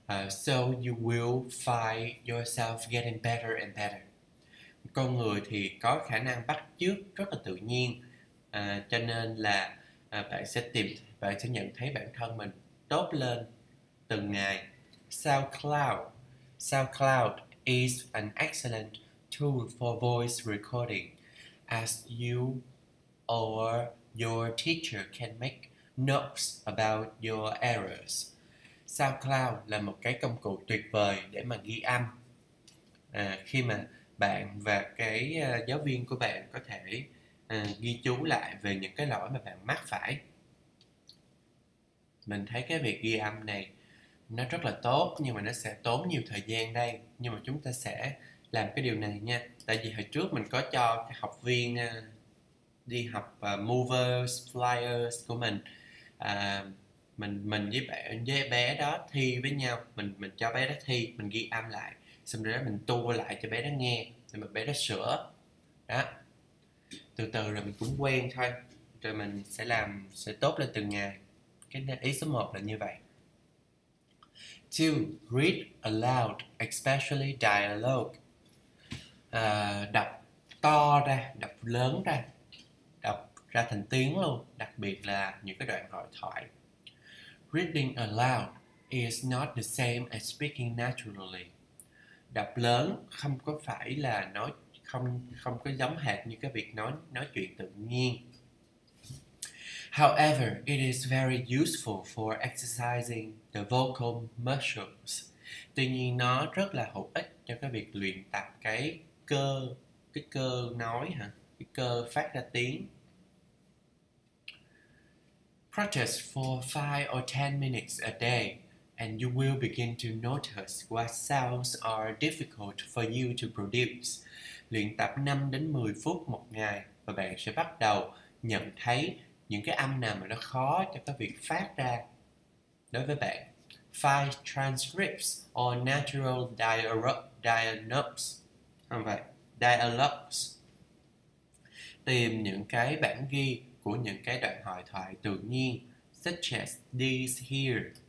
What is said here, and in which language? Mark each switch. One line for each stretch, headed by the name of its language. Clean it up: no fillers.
English: So you will find yourself getting better and better.
Vietnamese: Con người thì có khả năng bắt chước rất là tự nhiên. Cho nên là bạn sẽ tìm, bạn sẽ nhận thấy bản thân mình tốt lên từng ngày.
English: SoundCloud is an excellent tool for voice recording, as you or your teacher can make notes about your errors.
Vietnamese: SoundCloud là một cái công cụ tuyệt vời để mà ghi âm. Khi mà bạn và cái giáo viên của bạn có thể ghi chú lại về những cái lỗi mà bạn mắc phải. Mình thấy cái việc ghi âm này nó rất là tốt, nhưng mà nó sẽ tốn nhiều thời gian đây. Nhưng mà chúng ta sẽ làm cái điều này nha. Tại vì hồi trước mình có cho học viên đi học movers, flyers của mình. Mình với bé đó thi với nhau. Mình cho bé đó thi, mình ghi âm lại. Xong rồi đó mình tua lại cho bé đó nghe. Xong rồi bé đó sửa. Đó. Từ từ rồi mình cũng quen thôi. Rồi mình sẽ làm, sẽ tốt lên từng ngày. Cái ý số 1 là như vậy. 2.
English: Read aloud, especially dialogue.
Vietnamese: Đọc to ra, đọc lớn ra, đọc ra thành tiếng luôn, đặc biệt là những cái đoạn hội thoại.
English: Reading aloud is not the same as speaking naturally.
Vietnamese: Đọc lớn không có phải là nói, không có giống hệt như cái việc nói chuyện tự nhiên.
English: However, it is very useful for exercising the vocal muscles.
Vietnamese: Tuy nhiên nó rất là hữu ích cho cái việc luyện tập cái cơ nói hả, cái cơ phát ra tiếng.
English: Practice for 5 or 10 minutes a day and you will begin to notice what sounds are difficult for you to produce.
Vietnamese: Luyện tập 5 đến 10 phút một ngày và bạn sẽ bắt đầu nhận thấy những cái âm nào mà nó khó cho cái việc phát ra đối với bạn.
English: 5 transcripts or natural dialogues.
Vietnamese: Không phải, dialogues. Tìm những cái bản ghi của những cái đoạn hội thoại tự nhiên,
English: such as these here.